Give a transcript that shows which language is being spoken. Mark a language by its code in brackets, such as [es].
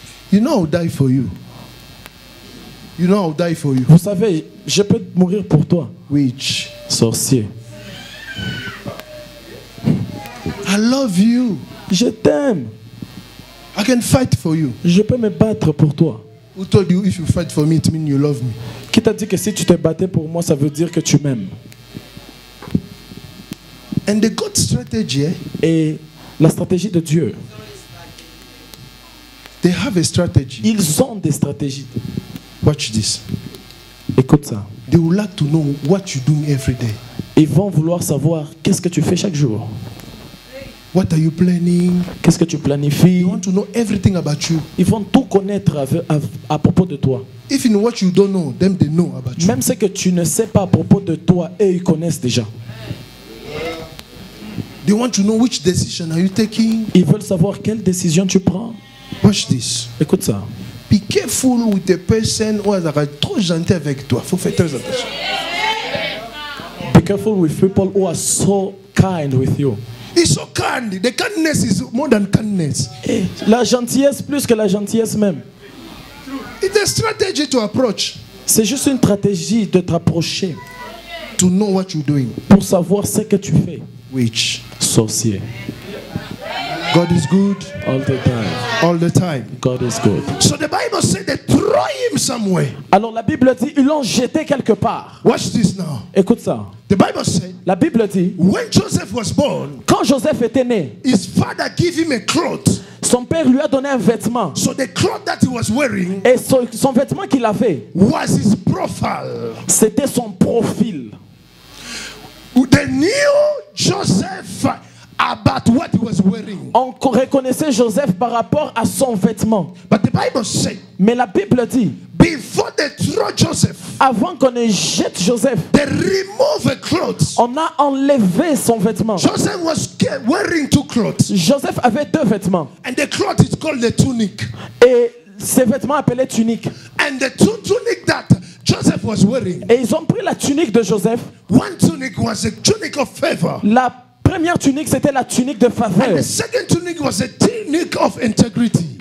[en] You know I'll die for you. You know I'll die for you. [fr] Vous savez, je peux mourir pour toi. [en] Witch. [fr] Sorcier. [en] I love you. [fr] Je t'aime. [en] I can fight for you. [fr] Je peux me battre pour toi. [en] Who told you if you fight for me, it means you love me? [fr] Qui t'a dit que si tu te battais pour moi, ça veut dire que tu m'aimes? [en] And the God strategy. [fr] Et la stratégie de Dieu. [en] They have a strategy. [fr] Ils ont des stratégies. [en] Watch this. [fr] Écoute ça. [en] They would like to know what you do every day. [fr] Ils vont vouloir savoir qu'est-ce que tu fais chaque jour. [en] What are you planning? [fr] Qu'est-ce que tu planifies? [en] They want to know everything about you. [fr] Ils vont tout connaître à propos de toi. [en] Even what you don't know, them they know about you. [fr] Même ce que tu ne sais pas à propos de toi, eux ils connaissent déjà. [en] They want to know which decision are you taking? [fr] Ils veulent savoir quelle décision tu prends. [en] Watch this. [fr] Écoute ça. [en] Be careful with the person who is [fr] trop gentil avec toi. Faut faire très attention. [en] Be careful with people who are so kind with you. It's so kind. The kindness is more than kindness. [fr] La gentillesse plus que la gentillesse même. [en] It's a strategy to approach. [fr] C'est juste une stratégie de t'approcher. [en] To know what you're doing. [fr] Pour savoir ce que tu fais. [en] Witch. [fr] Sorcier. [en] God is good all the time. All the time. God is good. So the Bible said they throw him somewhere. [fr] Alors la Bible dit ils l'ont jeté quelque part. [en] Watch this now. [fr] Écoute ça. [en] The Bible said. [fr] La Bible dit. [en] When Joseph was born. [fr] Quand Joseph était né. [en] His father gave him a cloth. [fr] Son père lui a donné un vêtement. [en] So the cloth that he was wearing. [fr] Et son vêtement qu'il avait. [en] Was his profile. [fr] C'était son profil. [en] They knew Joseph. About what he was wearing. [fr] On reconnaissait Joseph par rapport à son vêtement. [en] But the Bible said, [fr] mais la Bible dit, [en] before they throw Joseph, [fr] avant qu'on ait jeté Joseph, [en] they remove the clothes. [fr] On a enlevé son vêtement. [en] Joseph was wearing two clothes. [fr] Joseph avait deux vêtements. [en] And the cloth is called the tunic. [fr] Et ces vêtements appelés tuniques. [en] And the two tunic that Joseph was wearing. [fr] Et ils ont pris la tunique de Joseph. [en] One tunic was a tunic of favor. [fr] La première tunique, c'était la tunique de faveur. [en] And the second tunic was a tunic of integrity.